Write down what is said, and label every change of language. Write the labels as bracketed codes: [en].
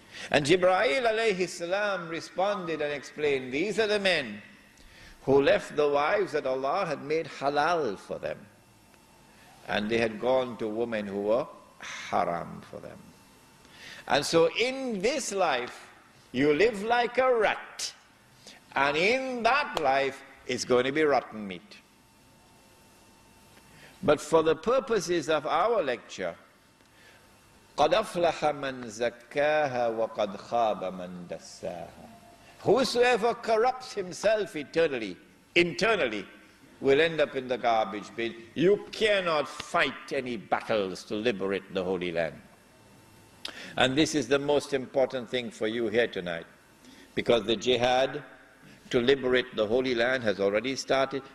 [en] And Jibreel alayhi salam responded and explained, these are the men who left the wives that Allah had made halal for them. And they had gone to women who were haram for them. And so in this life, you live like a rat. And in that life, it's going to be rotten meat. But for the purposes of our lecture, [ar] قَدْ أَفْلَحَ مَنْ زَكَّاهَا وَقَدْ خَابَ مَنْ دَسَّاهَا. [en] Whosoever corrupts himself eternally, internally, will end up in the garbage bin. You cannot fight any battles to liberate the Holy Land. And this is the most important thing for you here tonight. Because the jihad to liberate the Holy Land has already started.